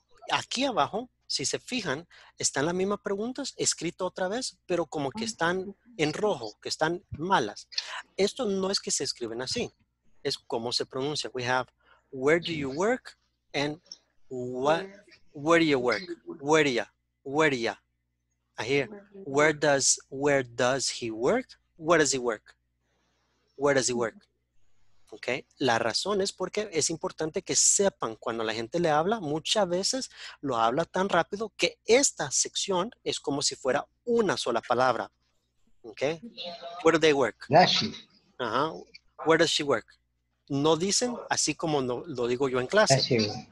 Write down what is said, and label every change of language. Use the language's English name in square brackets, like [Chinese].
[Spanish] Aquí abajo, si se fijan, están las mismas preguntas escritas otra vez, pero como que están en rojo, que están malas. Esto no es que se escriben así, es como se pronuncia. [English] We have where do you work and where does he work? Okay. [Spanish] La razón es porque es importante que sepan cuando la gente le habla, muchas veces lo habla tan rápido que esta sección es como si fuera una sola palabra. Okay. [English] Where do they work? Where does she work? [Spanish] No dicen así como no, lo digo yo en clase.